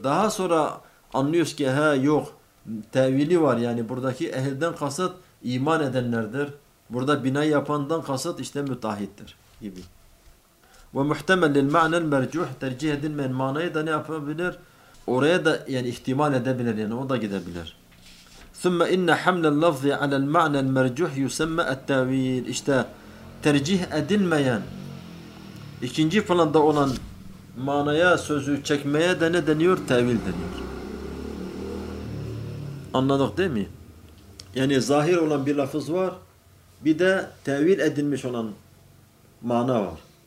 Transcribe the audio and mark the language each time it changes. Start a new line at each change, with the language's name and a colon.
Turkish: Daha sonra anlıyoruz ki ha yok, tevili var. Yani buradaki ehilden kasıt iman edenlerdir. Burada bina yapandan kasıt işte müteahhittir gibi.
Arabic: وَمُحْتَمَلْ لِلْمَعْنَ الْمَرْجُوحِ
Turkish: tercih edilmeyen manayı da ne yapabilir? Oraya da yani ihtimal edebilir, yani o da gidebilir.
Arabic: ثم إن حمل اللفظ على المعنى المرجوح يسمى التأويل.
Turkish: İşte tercih edilmeyen, ikinci planda olan manaya sözü çekmeye de ne deniyor? Tevil deniyor. Anladık değil mi? Yani zahir olan bir lafız var, bir de tevil edilmiş olan mana var.